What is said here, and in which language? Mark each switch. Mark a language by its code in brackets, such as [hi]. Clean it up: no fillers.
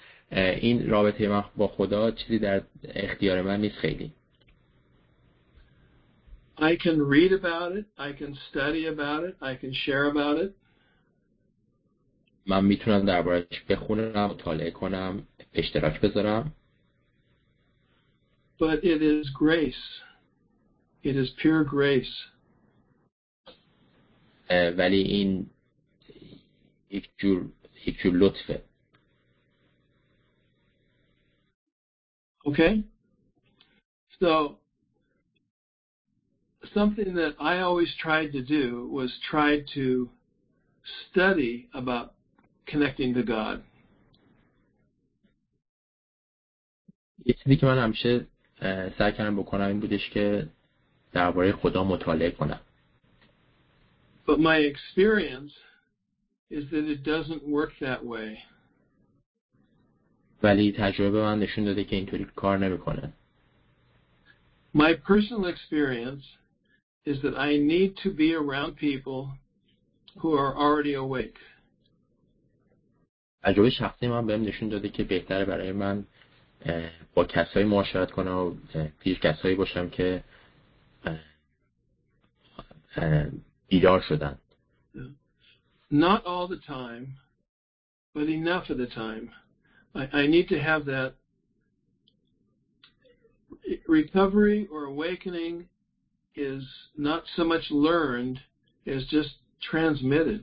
[fa] این رابطه من با خدا چیزی در اختیار من نیست خیلی. [en] I can read about it, I can study about it, I can share about it. [fa] من میتونم درباره‌اش بخونم، مطالعه کنم، اشتراک بذارم. [en] But it is grace. It is pure grace. [fa] ولی این یک جور لطفه. [en] Okay, so something that I always tried to do was try to study about connecting to God. [fa] یه چیزی که من همیشه سعی کردم بکنم این بودش که درباره خدا مطالعه کنم. [en] But my experience is that it doesn't work that way. [fa] ولی تجربه من نشون داده که اینطوری کار نمی‌کنه. [en] My personal experience is that I need to be around people who are already awake. [fa] تجربه شخصی من بهم نشون داده که بهتره برای من با کسایی معاشرت کنم و پیش کسایی باشم که بیدار شدن. [en] Not all the time, but enough of the time. I need to have that recovery or awakening is not so much learned as just transmitted.